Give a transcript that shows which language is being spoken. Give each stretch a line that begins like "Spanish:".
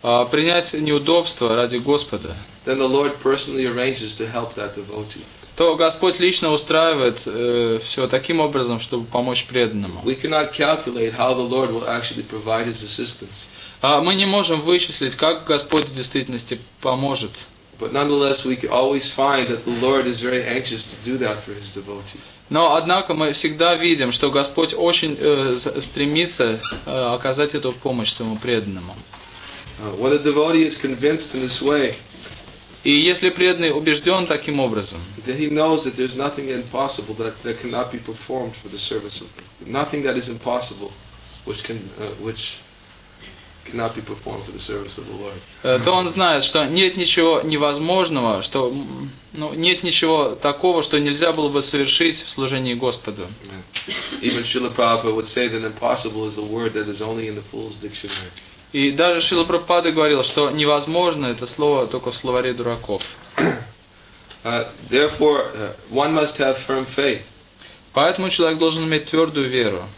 Russian: Принять неудобства ради Господа.
English: Then the Lord personally arranges to help that devotee.
Russian: То Господь лично устраивает все таким образом, чтобы помочь преданному.
English: We cannot calculate how the Lord will actually provide his assistance.
Russian: Мы не можем вычислить, как Господь в действительности поможет.
English: But nonetheless, we always find that the Lord is very anxious to do that for his devotee.
Russian: Но однако мы всегда видим, что Господь очень стремится оказать эту помощь своему преданному.
English: When a devotee is convinced in this way,
Russian: и если преданный убежден таким образом,
English: then he knows that there's nothing impossible that cannot be performed for the service of nothing that is impossible, which cannot be performed for the service of the Lord.
Russian: То он знает, что нет ничего невозможного, что ну нет ничего такого, что нельзя было бы совершить в служении Господу.
English: Even Srila Prabhupada would say that impossible is a word that is only in the fool's dictionary.
Russian: И даже Шрила Прабхупада говорил, что невозможно это слово только в словаре дураков.
English: One must have firm faith.
Russian: Поэтому человек должен иметь твердую веру.